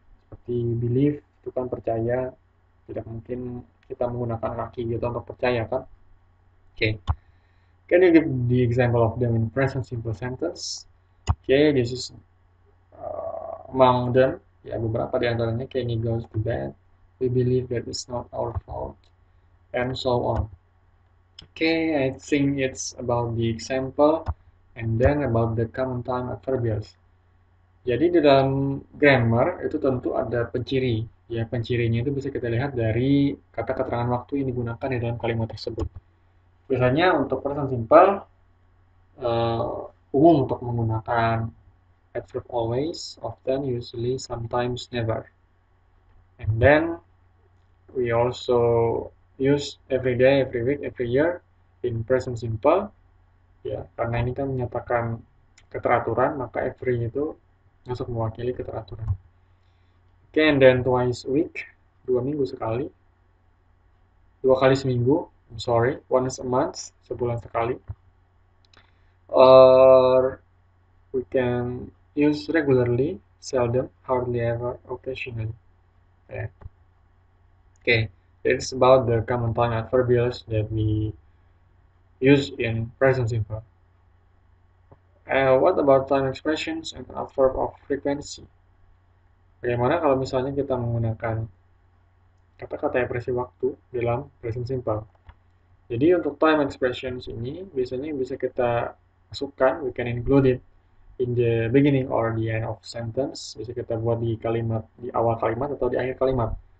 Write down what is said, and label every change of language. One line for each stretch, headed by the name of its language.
Indonesian: Seperti believe, itu kan percaya, tidak mungkin kita menggunakan kaki gitu untuk percaya kan. Okay.
English: Can you give the example of them in present simple sentence? Okay, this is among them,
Indonesian: ya beberapa di antaranya,
English: Kenny goes to bed, we believe that it's not our fault, and so on. Okay, I think it's about the example, and then about the common time adverbials.
Indonesian: Jadi di dalam grammar, itu tentu ada penciri. Ya, pencirinya itu bisa kita lihat dari kata keterangan waktu yang digunakan di dalam kalimat tersebut. Biasanya untuk present simple, umum untuk menggunakan adverb always, often, usually, sometimes, never.
English: And then, we also use every day, every week, every year in present simple.
Indonesian: Ya, karena ini kan menyatakan keteraturan, maka every itu masuk mewakili keteraturan.
English: Okay, and then twice a week,
Indonesian: 2 minggu sekali. 2 kali seminggu,
English: I'm sorry, once a month,
Indonesian: sebulan sekali.
English: Or, we can use regularly, seldom, hardly ever, occasionally. Yeah. Okay, it's about the common tongue adverbials that we use in present simple. What about time expressions and adverb of frequency?
Indonesian: Bagaimana kalau misalnya kita menggunakan kata-kata ekspresi waktu dalam present simple? Jadi untuk time expressions ini biasanya bisa kita masukkan,
English: we can include it in the beginning or the end of sentence,
Indonesian: bisa kita buat di kalimat, di awal kalimat atau di akhir kalimat.